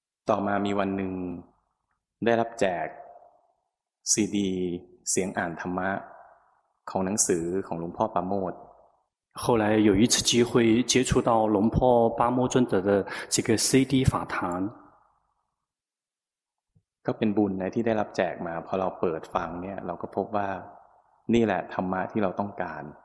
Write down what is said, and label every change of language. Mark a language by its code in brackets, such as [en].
[th] ต่อมามีวันหนึ่งได้รับแจก CD เสียงอ่านธรรมะของหนังสือของหลวงพ่อปาโมทย์ [zh] 后来有一次机会接触到龙婆巴木尊者的这个 CD 法坛 [th] ก็เป็นบุญนะที่ได้รับแจกมาพอเราเปิดฟังเนี่ยเราก็พบว่านี่แหละธรรมะที่เราต้องการ